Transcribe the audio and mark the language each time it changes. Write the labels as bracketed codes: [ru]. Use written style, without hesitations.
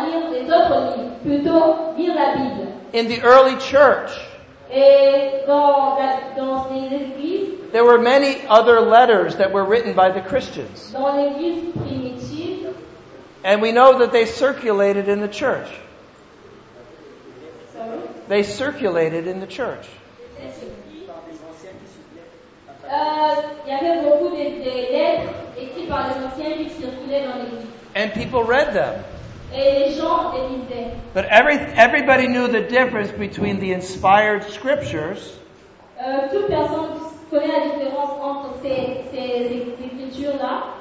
[fr] Ne pas perdre de temps à lire les autres livres, plutôt lire la Bible. [en] In the early church, [fr] et dans les églises, [en] there were many other letters that were written by the Christians. [fr] Dans l'église primitive, [en] and we know that they circulated in the church. Sorry? They circulated in the church. And people read them. [fr] Et les gens les lisaient. [en] But everybody knew the difference between the inspired scriptures. [fr] Toute personne connaît la différence entre ces écritures-là.